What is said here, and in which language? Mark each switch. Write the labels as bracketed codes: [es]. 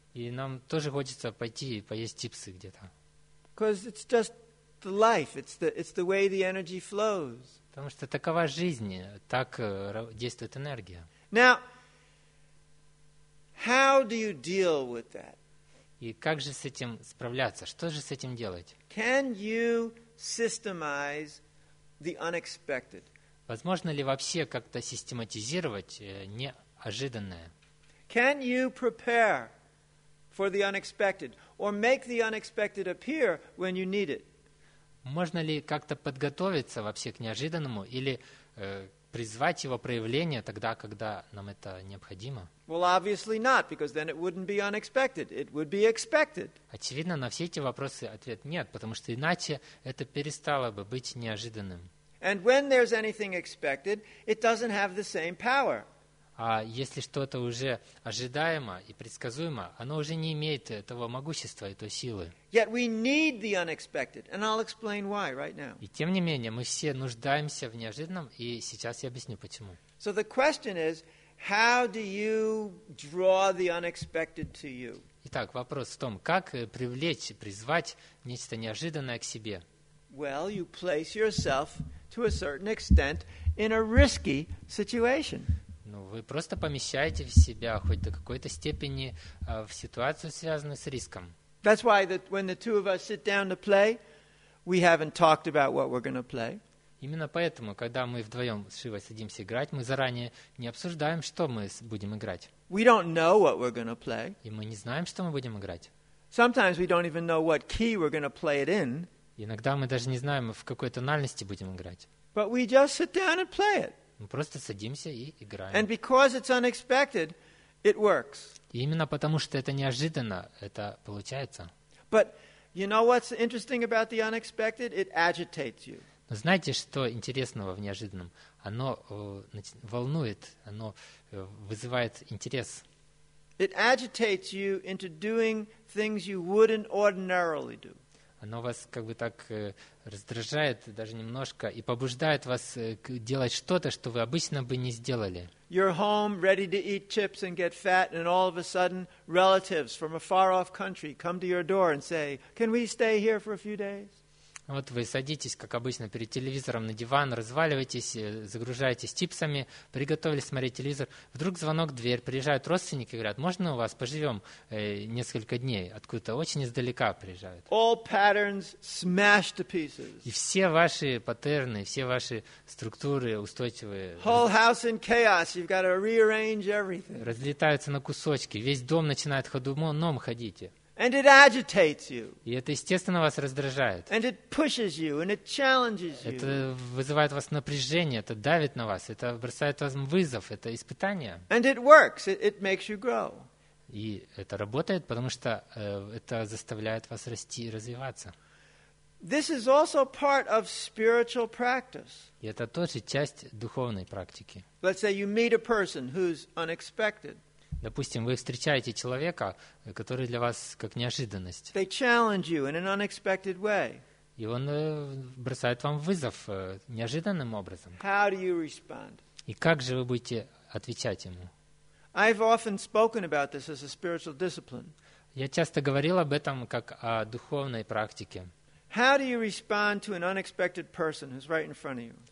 [ru] И нам тоже хочется пойти и поесть чипсы где-то. [en] Because it's just the life, it's the way the energy flows. [ru] Потому что такова жизнь, так действует энергия. [en] Now, how do you deal with that? [ru] И как же с этим справляться? Что же с этим делать? [en] Can you systemize the unexpected? [ru] Возможно ли вообще как-то систематизировать неожиданное? [en] Can you prepare for the unexpected or make the unexpected appear when you need it? [ru] Можно ли как-то подготовиться вообще к неожиданному или призвать его проявление тогда, когда нам это необходимо? [en] Well, obviously not, because then it wouldn't be unexpected. It would be expected. [ru] Очевидно, на все эти вопросы ответ нет, потому что иначе это перестало бы быть неожиданным. [en] And when there's anything expected, it doesn't have the same power. [ru] А если что-то уже ожидаемо и предсказуемо, оно уже не имеет этого могущества, этой силы. [en] Yet we need the unexpected, and I'll explain why right now. [ru] И тем не менее, мы все нуждаемся в неожиданном, и сейчас я объясню почему. [en] So the question is, how do you draw the unexpected to you? [ru] Итак, вопрос в том, как привлечь, призвать нечто неожиданное к себе? [en] Well, you place yourself to a certain extent in a risky situation. [ru] Ну, вы просто помещаете в себя хоть до какой-то степени в ситуацию, связанную с риском. [en] That's why that when the two of us sit down to play, we haven't talked about what we're going to play. [ru] Именно поэтому, когда мы вдвоем с Шивой садимся играть, мы заранее не обсуждаем, что мы будем играть. [en] We don't know what we're going to play. [ru] И мы не знаем, что мы будем играть. [en] Sometimes we don't even know what key we're going to play it in. [ru] Иногда мы даже не знаем, в какой тональности будем играть. [en] But we just sit down and play it. [ru] Мы просто садимся и играем. [en] And because it's unexpected, it works. [ru] И именно потому, что это неожиданно, это получается. [en] But you know what's interesting about the unexpected? It agitates you. [ru] Но знаете, что интересного в неожиданном? Оно волнует, оно вызывает интерес. [en] It agitates you into doing things you wouldn't ordinarily do. [ru] Оно вас как бы так раздражает даже немножко и побуждает вас делать что-то, что вы обычно бы не сделали. [en] You're home, ready to eat chips and get fat, and all of a sudden, relatives from a far-off country come to your door and say, "Can we stay here for a few days?" [ru] Вот вы садитесь, как обычно, перед телевизором на диван, разваливаетесь, загружаетесь чипсами, приготовили смотреть телевизор. Вдруг звонок в дверь, приезжают родственники и говорят, можно у вас поживем несколько дней? Откуда-то очень издалека приезжают. [en] All patterns smash to pieces. [ru] И все ваши паттерны, все ваши структуры устойчивые. [en] Whole house in chaos. You've got to rearrange everything. [ru] Разлетаются на кусочки, весь дом начинает ходуном ходить. [en] And it agitates you. [ru] И это, естественно, вас раздражает. [en] And it pushes you, and it challenges you. [ru] Это вызывает у вас напряжение, это давит на вас, это бросает вам вызов, это испытание. [en] And it works. It makes you grow. [ru] И это работает, потому что это заставляет вас расти и развиваться. [en] This is also part of spiritual practice. [ru] И это тоже часть духовной практики. [en] Let's say you meet a person who's unexpected. [ru] Допустим, вы встречаете человека, который для вас как неожиданность. [en] They challenge you in an unexpected way. [ru] И он бросает вам вызов неожиданным образом. [en] How do you respond? [ru] И как же вы будете отвечать ему? [en] I've often spoken about this as a spiritual discipline. [ru] Я часто говорил об этом как о духовной практике. [en] How do you respond to an unexpected person who's right in front of you?